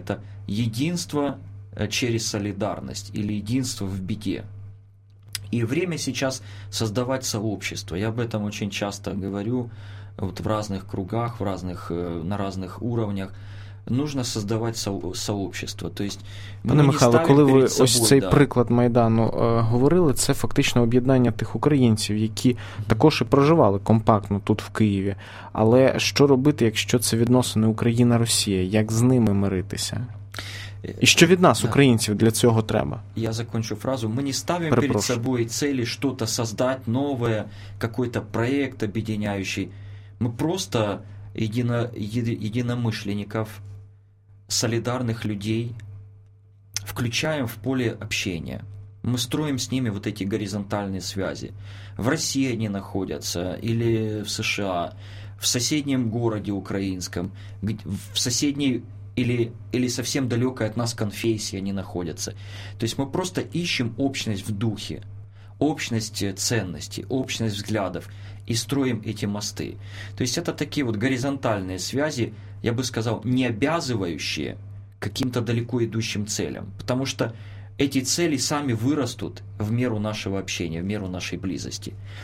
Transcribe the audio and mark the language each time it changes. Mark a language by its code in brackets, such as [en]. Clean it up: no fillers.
[ru] Это единство через солидарность или единство в беде. И время сейчас создавать сообщество. Я об этом очень часто говорю вот в разных кругах, в разных, на разных уровнях. Нужно создавать сообщество. То есть, [uk] пане Михайло, коли ви собой, ось цей приклад Майдану говорили, це фактично об'єднання тих українців, які також і проживали компактно тут в Києві. Але що робити, якщо це відносини Україна-Росія? Як з ними миритися? І що від нас, українців, для цього треба? Я закінчу фразу. Ми не ставимо перед собою цілі щось створити нове, якийсь проєкт об'єднюючий. Ми просто єдиномишленників, солідарних людей включаємо в поле общення. Ми строїмо з ними [ru] вот эти [uk] горизонтальні зв'язки. В Росії вони знаходяться, або в США, в сусідньому місті українському, в сусідній [ru] или совсем далекой от нас конфессии они находятся. То есть мы просто ищем общность в духе, общность ценностей, общность взглядов и строим эти мосты. То есть это такие вот горизонтальные связи, я бы сказал, не обязывающие каким-то далеко идущим целям, потому что эти цели сами вырастут в меру нашего общения, в меру нашей близости.